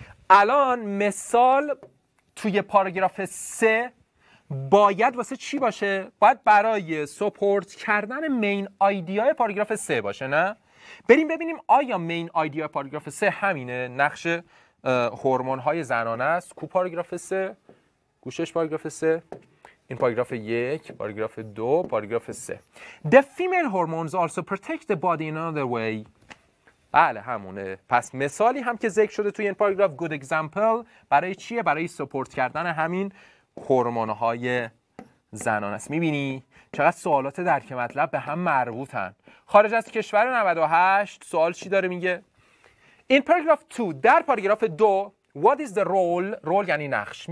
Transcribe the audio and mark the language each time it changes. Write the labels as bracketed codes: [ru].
[fa] الان مثال توی پاراگراف 3 باید واسه چی باشه؟ باید برای سپورت کردن مین آیدیای پاراگراف 3 باشه، نه؟ بریم ببینیم آیا مین آیدیای پاراگراف 3 همینه، نقش هورمون‌های زنانه است. کو پاراگراف 3؟ گوشش پاراگراف 3، این پاراگراف 1، پاراگراف 2، پاراگراف 3. [en] The female hormones also protect the body in another way. [fa] بله همونه. پس مثالی هم که ذکر شده توی این پاراگراف، [en] good example، [fa] برای چیه؟ برای سپورت کردن همین هورمون‌های زنانه است. می‌بینی چقدر سوالات درک مطلب به هم مربوطن. خارج از کشور 98 سوال چی داره میگه؟ این پاراگراف 2، در پاراگراف 2، [en] What is the role؟ [fa] رول یعنی نقش.